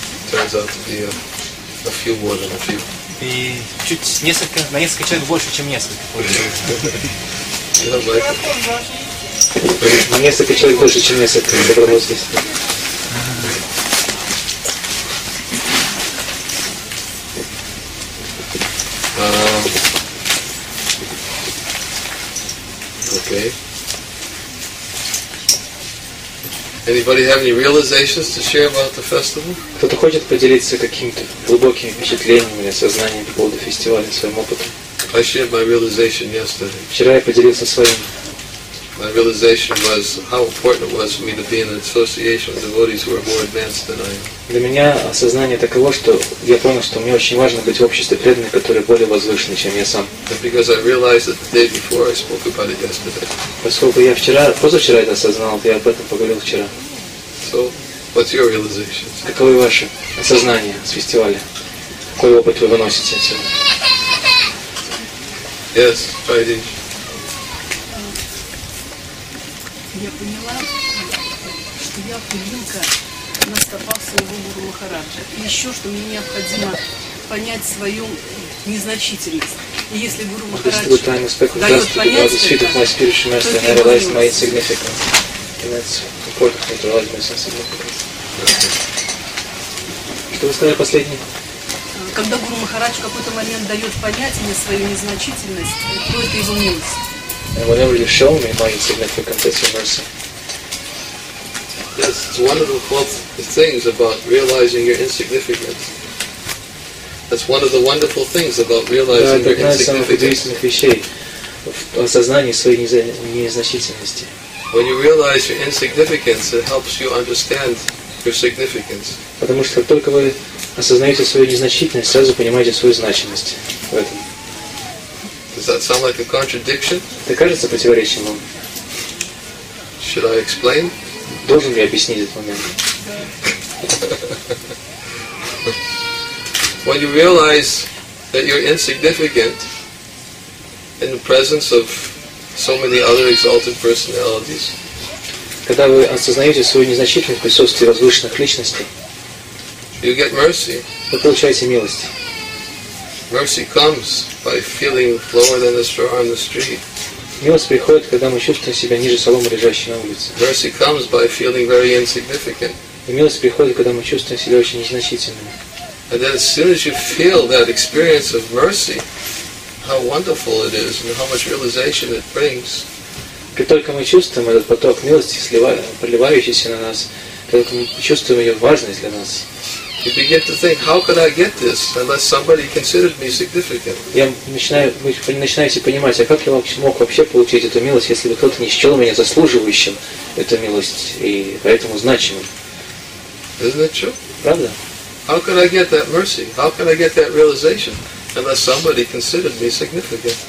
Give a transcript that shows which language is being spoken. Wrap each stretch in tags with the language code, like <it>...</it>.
<en>Turns out to be a few more than a few.</en> <ru>И чуть несколько, на несколько человек больше, чем несколько. Несколько человек больше, чем несколько. Добровольцы.</ru> <en>Okay. Anybody have any realizations to share about the festival?</en> <ru>Кто-то хочет поделиться какими-то глубокими впечатлениями или сознанием по поводу фестиваля, своим опытом?</ru> <en>I shared my realization yesterday.</en> <ru>Вчера я поделился своим.</ru> <en>My realization was how important it was for me to be in an association with devotees who are more advanced than I am.</en> <ru>Для меня осознание таково, что я понял, что мне очень важно быть в обществе преданных, которые более возвышены, чем я сам.</ru> <en>And because I realized it the day before, I spoke about it yesterday.</en> <ru>Поскольку я вчера, позавчера это осознал, я об этом поговорил вчера.</ru> <en>So, what's your realization?</en> <ru>Каковы ваши осознания с фестиваля? Какой опыт вы выносите отсюда?</ru> <en>Yes, Friday.</en> <ru>Я поняла, что я пылинка на стопах своего Гуру Махараджа. И еще, что мне необходимо понять свою незначительность. И если Гуру Махарадж дает понять, то это... Что вы сказали последнее? Когда Гуру Махарадж в какой-то момент дает понять мне свою незначительность, то это изумилось.</ru> <en>And whenever you show me my insignificance, it's your mercy. Yes, it's one of the wonderful things about realizing your insignificance. That's one of the wonderful things about realizing your insignificance.</en> <ru>Осознание своей незначительности.</ru> <en>When you realize your insignificance, it helps you understand your significance.</en> <ru>Потому что как только вы осознаете свою незначительность, сразу понимаете свою значимость в этом.</ru> <en>Does that sound like a contradiction?</en> <ru>Это кажется противоречием вам?</ru> <en>Should I explain?</en> <ru>Должен ли я объяснить этот момент?</ru> <en>When you realize that you're insignificant in the presence of so many other exalted personalities.</en> <ru>Когда вы осознаете свою незначительность в присутствии возвышенных личностей.</ru> <en>You get mercy.</en> <ru>Вы получаете милость.</ru> <en>Mercy comes by feeling lower than a straw on the street.</en> <ru>Милость приходит, когда мы чувствуем себя ниже соломы, лежащей на улице.</ru> <en>Mercy comes by feeling very insignificant.</en> <ru>И милость приходит, когда мы чувствуем себя очень незначительными.</ru> <en>And then as soon as you feel that experience of mercy, how wonderful it is and how much realization it brings.</en> <ru>Как только мы чувствуем этот поток милости, проливающийся на нас, только мы чувствуем ее важность для нас.</ru> <en>You begin to think, how could I get this unless somebody considered me significant?</en> <ru>Вы начинаете понимать, а как я мог вообще получить эту милость, если бы кто-то не счел меня заслуживающим эту милость и поэтому значимым?</ru> <en>Isn't that true?</en> <ru>Правда?</ru> <en>How could I get that mercy? How could I get that realization unless somebody considered me significant?</en>